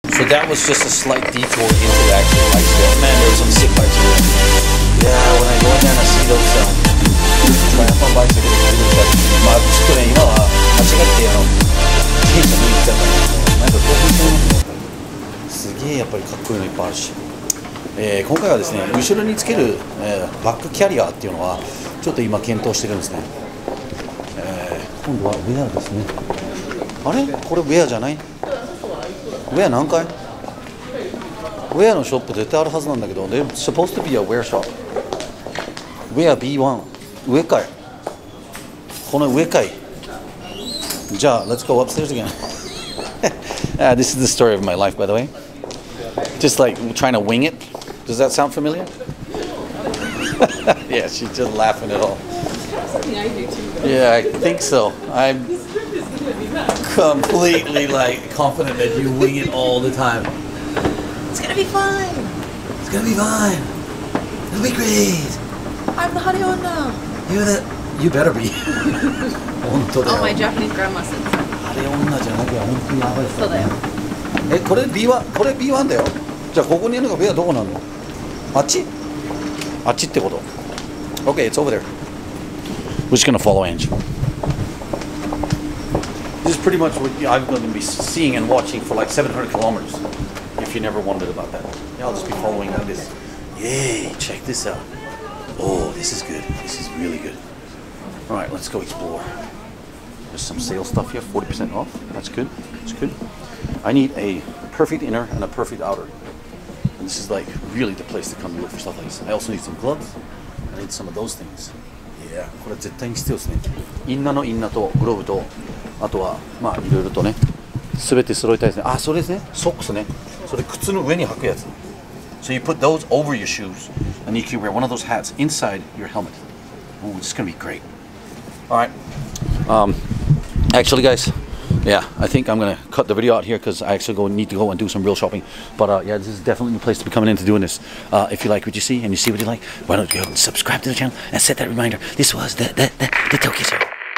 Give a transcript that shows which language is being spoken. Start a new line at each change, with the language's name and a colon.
English: But that was just a slight detour into actually bikes there. Man, there was some sick bikes there. Yeah, when I go in there and I see those triathlon bikes, I get excited. But my school, you know, I check out the
Japanese: チームに行ったからなんか興奮するのすげえやっぱりかっこいいのいっぱいあるし、今回はですね後ろにつける、バックキャリアっていうのはちょっと今検討してるんですね、今度はウェアですね。あれこれウェアじゃない？ウェア何回？ウェアのショップ絶対あるはずなんだけど
English: They're supposed to be a wear shop。
Japanese: ウェア B1 上かい、この上かい。
English: Ja, let's go upstairs again. This is the story of my life, by the way. Just like trying to wing it. Does that sound familiar? Yeah, she's just laughing at all. Yeah, I think so. I'm completely like confident that you wing it all the time. It's gonna be fine. It's gonna be fine. It'll be great. I'm the honey one now. You're the... You better be. Oh, my Japanese grandma said so.
Japanese: あれ女じゃなきゃ本当にやばいそうだよ。え、これ B1、これ B1 だよ。じゃあここにいるのがウェアどこなの？あっち？あっちってこと。
English: Okay, it's over there. We're just gonna follow Angie. This is pretty much what I'm gonna be seeing and watching for like 700 kilometers. If you never wondered about that. Yeah, I'll just be following like this. Yay, check this out. Oh, this is good. This is really good. All right, let's go explore. There's some sale stuff here, 40% off. That's good, that's good. I need a perfect inner and a perfect outer. And this is like really the place to come to look for stuff like this. I also need some gloves. I need some of those things.
Japanese: Yeah, これ絶対に必要ですね。インナーのインナーとグローブと、あとはまあいろいろとね、すべて揃えたいですね。あ、それですね、ソックスね。それ靴の上に履くやつ。
English: So you put those over your shoes, and you can wear one of those hats inside your helmet. Ooh, this is gonna be great. All right. Actually, guys, yeah, I think I'm going to cut the video out here because I actually need to go and do some real shopping. But yeah, this is definitely the place to be coming into doing this. If you like what you see and you see what you like, why don't you go and subscribe to the channel and set that reminder. This was the Tokyo Show.